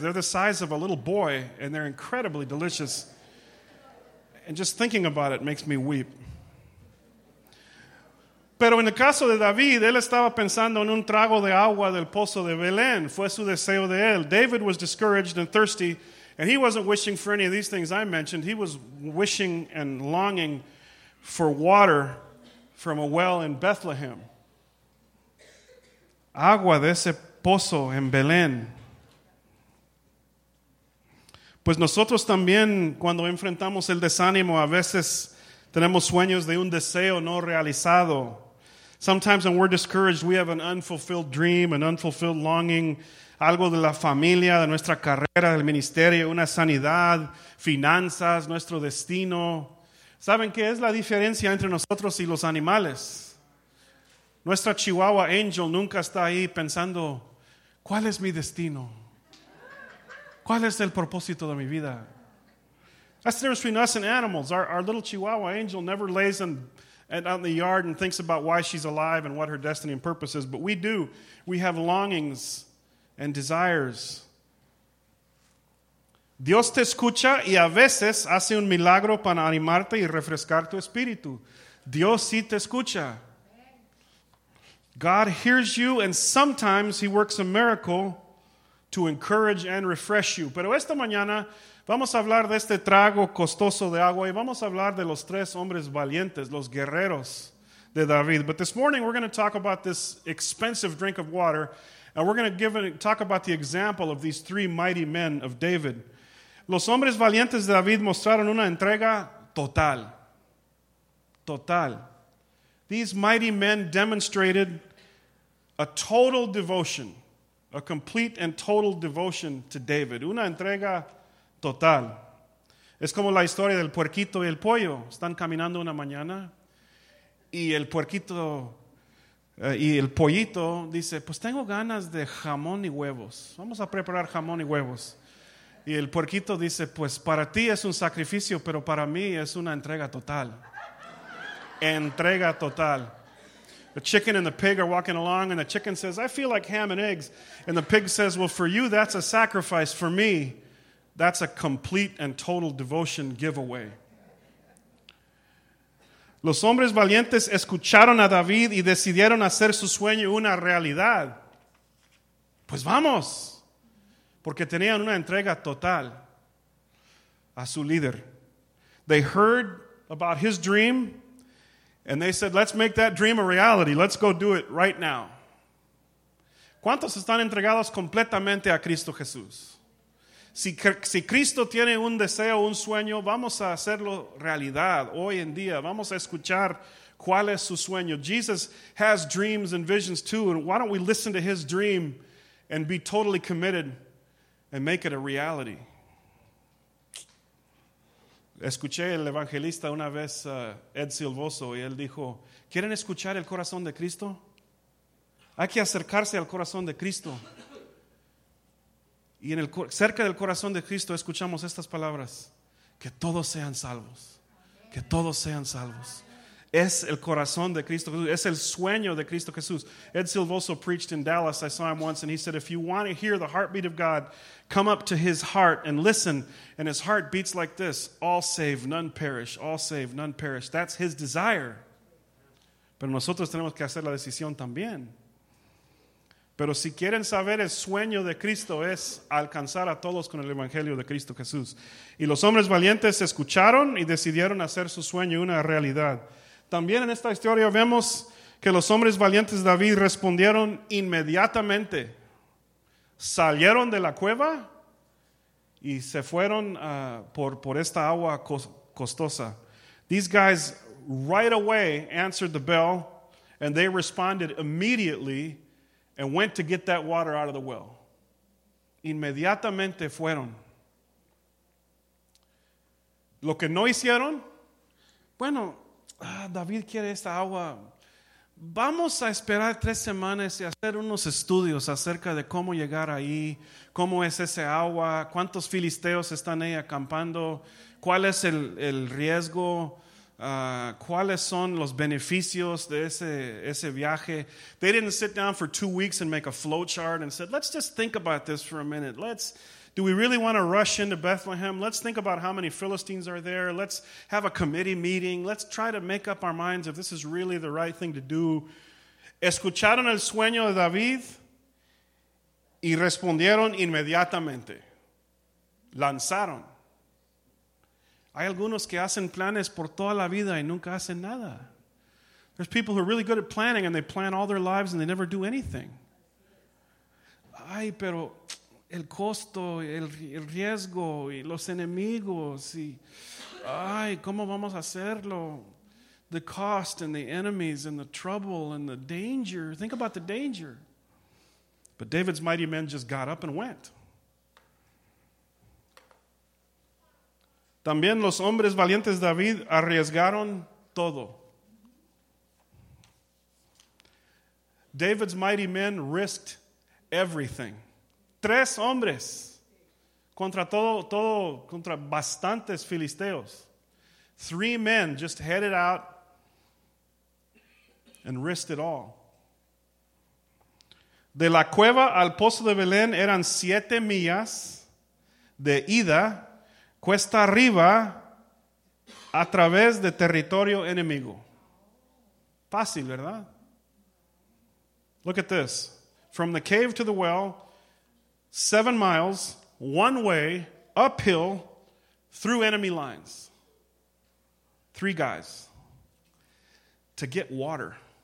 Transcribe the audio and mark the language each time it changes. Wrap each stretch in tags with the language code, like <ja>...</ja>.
<en>They're the size of a little boy, and they're incredibly delicious. And just thinking about it makes me weep.</en> <es>Pero en el caso de David, él estaba pensando en un trago de agua del pozo de Belén. Fue su deseo de él.</es> <en>David was discouraged and thirsty, and he wasn't wishing for any of these things I mentioned. He was wishing and longing for water from a well in Bethlehem.</en> <es>Agua de ese pozo en Belén. Pues nosotros también, cuando enfrentamos el desánimo, a veces tenemos sueños de un deseo no realizado.</es> <en>Sometimes when we're discouraged, we have an unfulfilled dream, an unfulfilled longing.</en> <es>Algo de la familia, de nuestra carrera, del ministerio, una sanidad, finanzas, nuestro destino. ¿Saben qué es la diferencia entre nosotros y los animales? Nuestra chihuahua Angel nunca está ahí pensando, ¿cuál es mi destino? ¿Cuál es el propósito de mi vida?</es> <en>That's the difference between us and animals. Our little chihuahua Angel never lays in and out in the yard and thinks about why she's alive and what her destiny and purpose is. But we do. We have longings and desires.</en> <es>Dios te escucha y a veces hace un milagro para animarte y refrescar tu espíritu. Dios sí te escucha.</es> <en>God hears you and sometimes he works a miracle to encourage and refresh you.</en> <es>Pero esta mañana vamos a hablar de este trago costoso de agua y vamos a hablar de los tres hombres valientes, los guerreros de David.</es> <en>But this morning we're going to talk about this expensive drink of water and we're going to talk about the example of these three mighty men of David.</en> <es>Los hombres valientes de David mostraron una entrega total. Total.</es> <en>These mighty men demonstrated a total devotion, a complete and total devotion to David.</en> <es>Una entrega total. Es como la historia del puerquito y el pollo. Están caminando una mañana y el puerquito y el pollito dice, pues tengo ganas de jamón y huevos. Vamos a preparar jamón y huevos. Y el puerquito dice, pues para ti es un sacrificio, pero para mí es una entrega total. Entrega total.</es> <en>The chicken and the pig are walking along, and the chicken says, I feel like ham and eggs. And the pig says, well, for you, that's a sacrifice. For me, that's a complete and total devotion giveaway.</en> <es>Los hombres valientes escucharon a David y decidieron hacer su sueño una realidad. Pues vamos. Porque tenían una entrega total a su líder.</es> <en>They heard about his dream, and they said, let's make that dream a reality. Let's go do it right now.</en> <es>¿Cuántos están entregados completamente a Cristo Jesús? Si Cristo tiene un deseo, un sueño, vamos a hacerlo realidad hoy en día. Vamos a escuchar cuál es su sueño.</es> <en>Jesus has dreams and visions too, and why don't we listen to his dream and be totally committed and make it a reality.</en> <es>Escuché el evangelista una vez, Ed Silvoso, y él dijo, ¿quieren escuchar el corazón de Cristo? Hay que acercarse al corazón de Cristo. Y en el cerca del corazón de Cristo escuchamos estas palabras, que todos sean salvos. Que todos sean salvos. Es el corazón de Cristo Jesús. Es el sueño de Cristo Jesús.</es> <en>Ed Silvoso preached in Dallas. I saw him once, and he said, if you want to hear the heartbeat of God, come up to his heart and listen. And his heart beats like this: all save, none perish. All save, none perish. That's his desire.</en> <es>Pero nosotros tenemos que hacer la decisión también. Pero si quieren saber, el sueño de Cristo es alcanzar a todos con el Evangelio de Cristo Jesús. Y los hombres valientes escucharon y decidieron hacer su sueño una realidad. También en esta historia vemos que los hombres valientes de David respondieron inmediatamente. Salieron de la cueva y se fueron por esta agua costosa.</es> <en>These guys right away answered the bell and they responded immediately and went to get that water out of the well.</en> <es>Inmediatamente fueron. Lo que no hicieron, bueno, David quiere esta agua. Vamos a esperar 3 semanas y hacer unos estudios acerca de cómo llegar ahí, cómo es ese agua, cuántos filisteos están ahí acampando, cuál es el riesgo, cuáles son los beneficios de ese viaje.</es> <en>They didn't sit down for 2 weeks and make a flow chart and said, let's just think about this for a minute. Do we really want to rush into Bethlehem? Let's think about how many Philistines are there. Let's have a committee meeting. Let's try to make up our minds if this is really the right thing to do.</en> <es>Escucharon el sueño de David y respondieron inmediatamente. Lanzaron. Hay algunos que hacen planes por toda la vida y nunca hacen nada.</es> <en>There's people who are really good at planning and they plan all their lives and they never do anything.</en> <es>Ay, pero el costo, el riesgo y los enemigos y ay, ¿cómo vamos a hacerlo?</es> <en>The cost and the enemies and the trouble and the danger. Think about the danger. But David's mighty men just got up and went.</en> <es>También los hombres valientes de David arriesgaron todo.</es> <en>David's mighty men risked everything.</en> <es>Tres hombres contra todo contra bastantes filisteos.</es> <en>3 men just headed out and risked it all.</en> <es>De la cueva al pozo de Belén eran 7 millas de ida, cuesta arriba, a través de territorio enemigo. Fácil, ¿verdad?</es> <en>Look at this. From the cave to the well, 7 miles, one way, uphill, through enemy lines. 3 guys. To get water.</en>